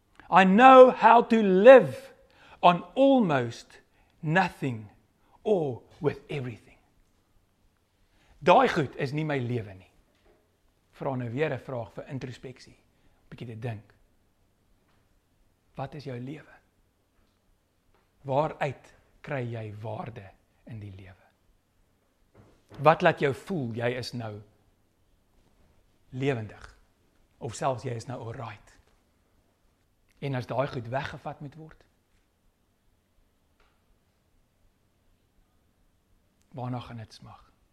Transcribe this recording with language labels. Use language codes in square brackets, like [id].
[en] "I know how to live on almost nothing or with everything." [af] Daai goed is nie my lewe nie. Vra nou weer 'n vraag vir introspeksie. 'N Bietjie te dink. Wat is jou lewe? Waaruit kry jy waarde in die lewe? Wat laat jou voel jy is nou lewendig? Of selfs jy is nou alright? En as daai goed weggevat moet word, waarna gaan dit smag?